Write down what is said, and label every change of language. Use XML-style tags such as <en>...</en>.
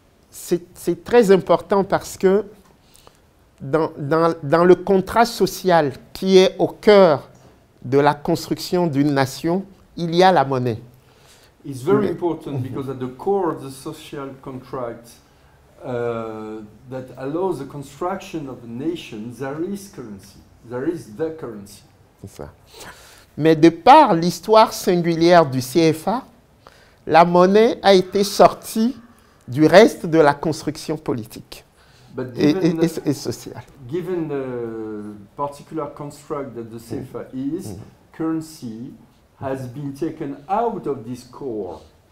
<fr>C'est très important parce que dans le contrat social qui est au cœur de la construction d'une nation, il y a la monnaie.</fr> <en>It's very important because at the core of the social contract that allows the construction of a nation, there is currency. There is the currency.</en> <fr>C'est ça. Mais de par l'histoire singulière du CFA, la monnaie a été sortie du reste de la construction politique et sociale.</fr> <en>Given the particular construct that the CFA is, currency has been taken out of this core.</en>